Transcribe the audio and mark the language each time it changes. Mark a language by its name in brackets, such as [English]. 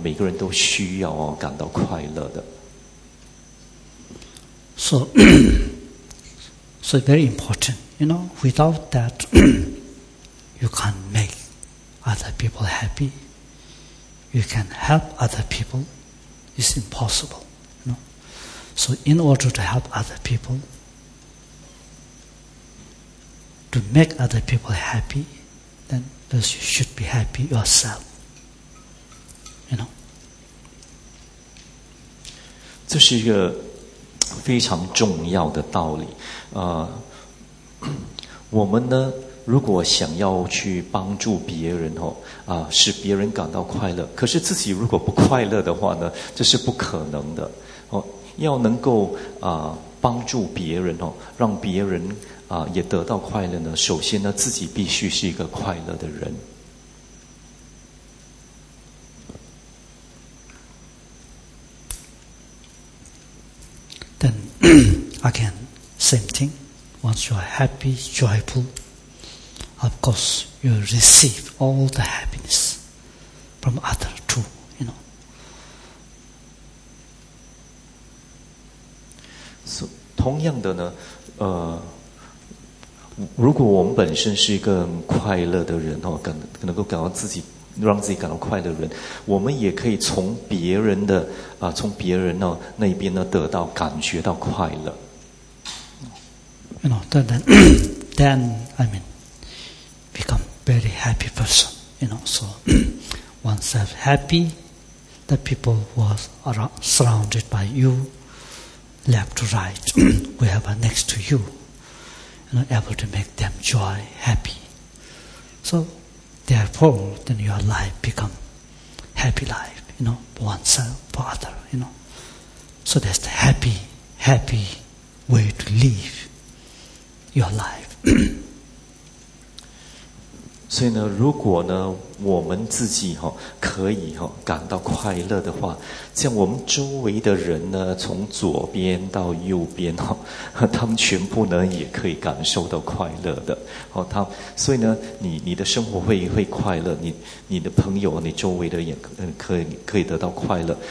[Chinese] 每个人都需要啊，感到快乐的。 [English] So very important, you know, without that, you can't make other people happy, you can help other people, it's impossible, you know. So in order to help other people, to make other people happy, then first you should be happy yourself, you know. [Chinese] 这是一个非常重要的道理，我们呢，如果想要去帮助别人哦，使别人感到快乐，可是自己如果不快乐的话呢，这是不可能的哦。要能够帮助别人哦，让别人也得到快乐呢，首先呢，自己必须是一个快乐的人。 [English] Then again, same thing. Once you are happy, joyful, of course, you receive all the happiness from others too, you know. [Chinese] So, 同样的呢，如果我们本身是一个快乐的人哦，能够感到自己让自己感到快乐的人，我们也可以从别人的从别人呢那边呢得到感觉到快乐。 [English] You know, then I mean, become very happy person. You know, so once I'm happy, the people who are surrounded by you, left to right, whoever next to you, you know, able to make them joy, happy. So. Therefore, then your life become happy life, you know, for oneself, for other, you know. So that's the happy, happy way to live your life. [Chinese] 所以呢，如果呢，我们自己哈、哦、可以哈、哦、感到快乐的话，像我们周围的人呢，从左边到右边哈、哦，他们全部呢也可以感受到快乐的。哦，他所以呢，你的生活会快乐，你的朋友，你周围的人也可以得到快乐。